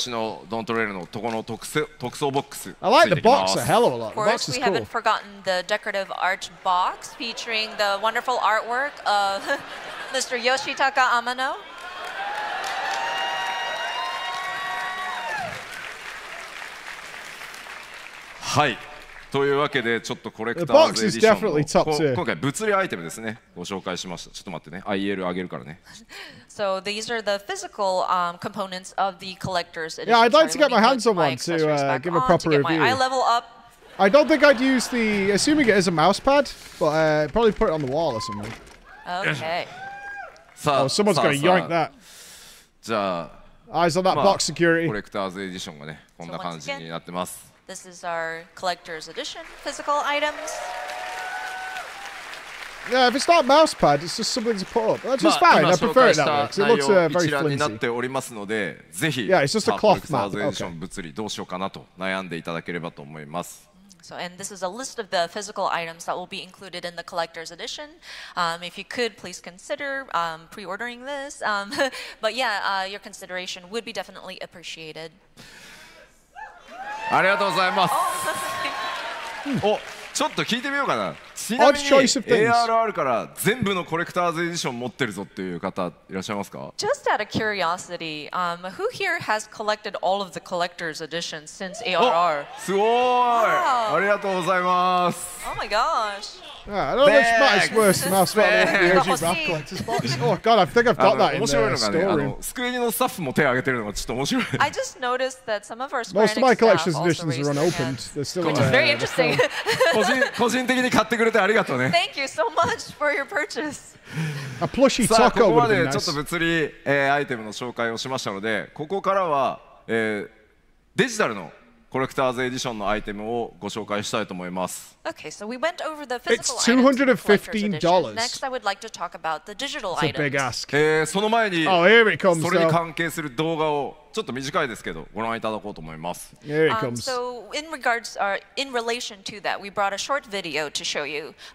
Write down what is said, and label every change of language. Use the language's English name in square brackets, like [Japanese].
[Japanese] 天野先生のね、最新刊、明けましのドントレールのとこの特装ボックス。 [English] I like the box a hell of a lot. Of course, we haven't forgotten the decorative art box featuring the wonderful artwork of Mr. Yoshitaka Amano. [Japanese] はい。というわけでちょっとコレクターズエディションの今回物理アイテムですね。ご紹介しました。ちょっと待ってね。IL上げるからね。 [English] So these are the physical components of the collector's edition. Yeah, I'd like to get my hands on one to give a proper review. To get my eye level up. I don't think I'd use the assuming it is a mouse pad, but probably put it on the wall or something. Okay. Oh, someone's going to yank that. Eyes on that box security. [Japanese] コレクターズ エディションがね、こんな感じになってます。 [English] This is our collector's edition physical items. Yeah, if it's not a mouse pad, it's just something to put up. That's just fine. I prefer it that way because it looks very flimsy. Yeah, it's just a cloth mat. Okay. So, and this is a list of the physical items that will be included in the collector's edition. If you could, please consider pre-ordering this. but yeah, your consideration would be definitely appreciated. [Japanese] ありがとうございます。お、ちょっと聞いてみようかな。ちなみにARRからARRから全部のコレクターズエディション持ってるぞっていう方いらっしゃいますか? [English] Just out of curiosity, who here has collected all of the collector's editions since ARR? [Japanese] すごい。ありがとうございます。 [English] Oh my gosh. Yeah, I don't know if that is worse than us, but the OG Rap Collector's box. Oh god, I think I've got that in the storeroom. I just noticed that some of our Square Most of my collection's editions are unopened. They're still which is very interesting. [Japanese] 個人的に買ってくれてありがとうね。 [English] Thank you so much for your purchase. A plushy taco would be nice. [Japanese] さあ、ここまでちょっと物理アイテムの紹介をしましたので、ここからはデジタルの Collector's Edition のアイテムをご紹介したいと思います。 [English] Okay, so we went over the physical items. $215. Next, I would like to talk about the digital items. It's a big ask. [Japanese] その前に、 [English] oh, here it comes, [Japanese] それに関係する動画をちょっと短いですけどご覧いただこうと思います。 [English] Here it comes. So in regards, in relation to that, we brought a short video to show you.